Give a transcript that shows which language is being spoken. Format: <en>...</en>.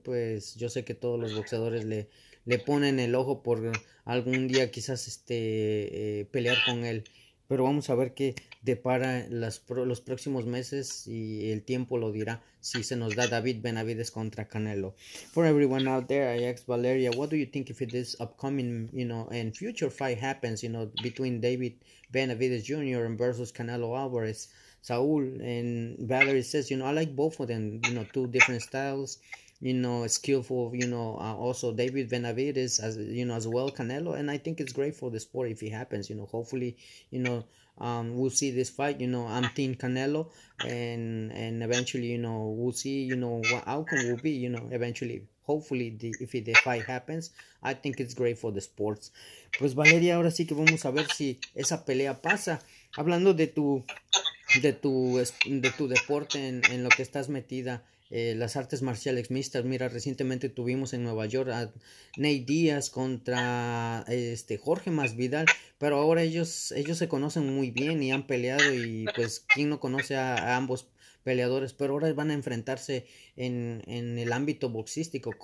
<es>Pues yo sé que todos los boxeadores le ponen el ojo por algún día quizás pelear con él. Pero vamos a ver qué depara los próximos meses y el tiempo lo dirá si se nos da David Benavides contra Canelo.</es> <en>For everyone out there, I ask Valeria, what do you think if this upcoming, and future fight happens, between David Benavides Jr. and versus Canelo Álvarez, Saúl? And Valerie says, I like both of them, two different styles, skillful, also David Benavides as well Canelo, and I think it's great for the sport if it happens. Hopefully, we'll see this fight. I'm Team Canelo, and eventually, we'll see, what outcome will be, eventually, hopefully, if the fight happens, I think it's great for the sports.</en> <es>Pues Valeria, ahora sí que vamos a ver si esa pelea pasa. Hablando de tu deporte en lo que estás metida. Las artes marciales mixtas, mira, recientemente tuvimos en Nueva York a Nate Diaz contra Jorge Masvidal, pero ahora ellos se conocen muy bien y han peleado y pues quién no conoce a ambos peleadores, pero ahora van a enfrentarse en el ámbito boxístico.</es>